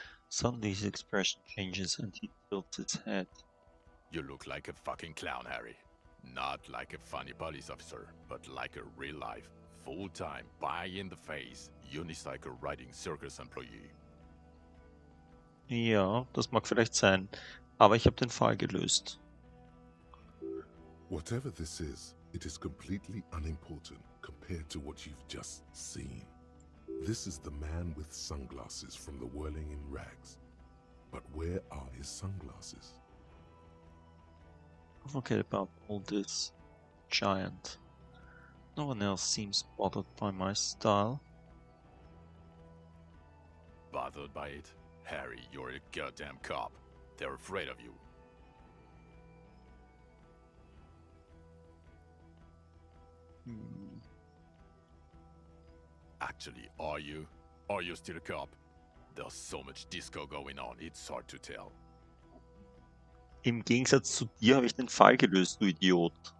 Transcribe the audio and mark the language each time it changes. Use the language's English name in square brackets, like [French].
[English] Suddenly his expression changes and he tilts his head. You look like a fucking clown, Harry. Not like a funny police officer, but like a real-life, full-time, pie-in-the-face, unicycle-riding circus employee. [German] Ja, das mag vielleicht sein, aber ich habe den Fall gelöst. [English] Whatever this is, it is completely unimportant compared to what you've just seen. This is the man with sunglasses from the Whirling in Rags. But where are his sunglasses? I forget about all this giant. No one else seems bothered by my style. Bothered by it? Harry, you're a goddamn cop. They're afraid of you. Actually, are you? Are you still a cop? There's so much disco going on, it's hard to tell. [German] Im Gegensatz zu dir habe ich den Fall gelöst, du Idiot.